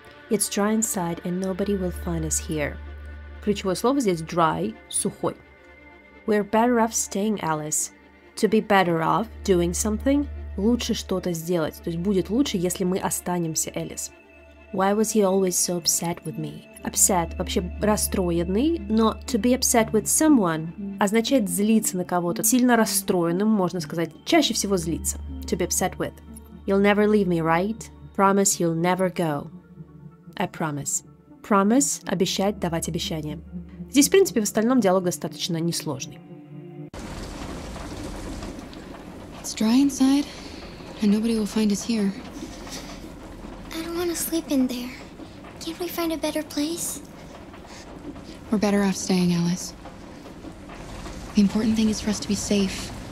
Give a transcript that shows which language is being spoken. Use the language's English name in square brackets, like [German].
[English] It's dry inside, and nobody will find us here. [Russian] Ключевое слово здесь dry, сухой. [English] We're better off staying, Alice. To be better off doing something. [Russian] Лучше что-то сделать. То есть будет лучше, если мы останемся, Элис. [English] Why was he always so upset with me? [Russian] Upset – вообще расстроенный, но [English] to be upset with someone [Russian] означает злиться на кого-то. Сильно расстроенным, можно сказать. Чаще всего злиться. [English] To be upset with. You'll never leave me, right? Promise you'll never go. I promise. Promise – [Russian] обещать, давать обещание. Здесь, в принципе, в остальном диалог достаточно несложный. [English] It's dry inside, and nobody will find us here. I don't want to sleep in there. Can't we find a better place? We're better off staying, Alice. The important thing is for us to be safe.